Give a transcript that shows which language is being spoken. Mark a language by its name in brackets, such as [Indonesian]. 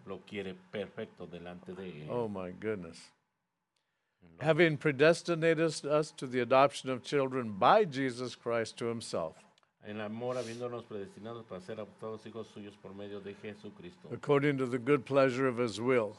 [Spanish] Lo quiere perfecto delante de él. [English] Oh, my goodness. No. Having predestinated us to the adoption of children by Jesus Christ to himself. [Spanish] En amor, habiéndonos predestinados para ser adoptados hijos suyos por medio de Jesucristo. [English] According to the good pleasure of his will.